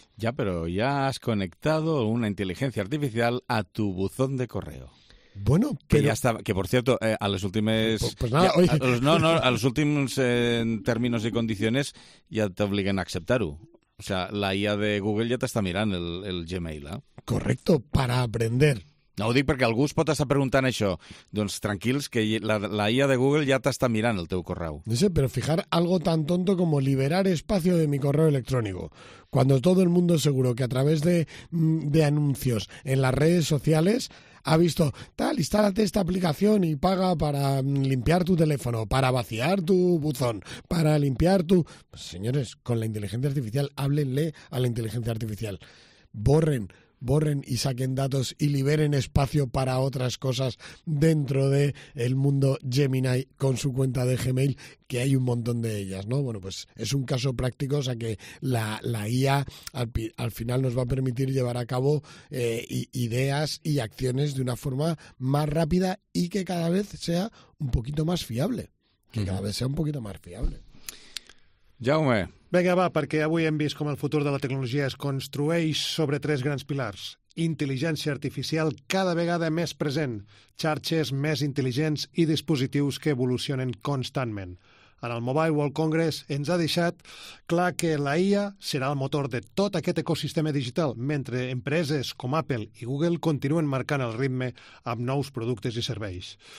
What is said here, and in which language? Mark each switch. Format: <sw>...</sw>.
<es>Ya, pero ya has conectado una inteligencia artificial a tu buzón de correo. Bueno, que ya estaba, que por cierto, a los últimos a los últimos términos y condiciones ya te obligan a aceptarlo. O sea, la IA de Google ya te está mirando el Gmail, ¿eh? Correcto, para aprender.</es> <ca>No ho dic perquè algú es pot estar preguntant això. Doncs tranquils, que la IA de Google ja t'està mirant el teu correu.</ca> <es>No sé, pero fijar algo tan tonto como liberar espacio de mi correo electrónico. Cuando todo el mundo seguro que a través de anuncios en las redes sociales ha visto, tal, instálate esta aplicación y paga para limpiar tu teléfono, para vaciar tu buzón, para limpiar tu... Pues, señores, con la inteligencia artificial, háblenle a la inteligencia artificial. Borren y saquen datos y liberen espacio para otras cosas dentro de el mundo Gemini con su cuenta de Gmail, que hay un montón de ellas, ¿no? Bueno, pues es un caso práctico, o sea que la IA al final nos va a permitir llevar a cabo ideas y acciones de una forma más rápida y que cada vez sea un poquito más fiable. Que cada vez sea un poquito más fiable. Jaume.</es> <ca>Vinga, va, perquè avui hem vist com el futur de la tecnologia es construeix sobre tres grans pilars. Intel·ligència artificial cada vegada més present, xarxes més intel·ligents i dispositius que evolucionen constantment. En el Mobile World Congress ens ha deixat clar que la IA serà el motor de tot aquest ecosistema digital, mentre empreses com Apple i Google continuen marcant el ritme amb nous productes i serveis.</ca>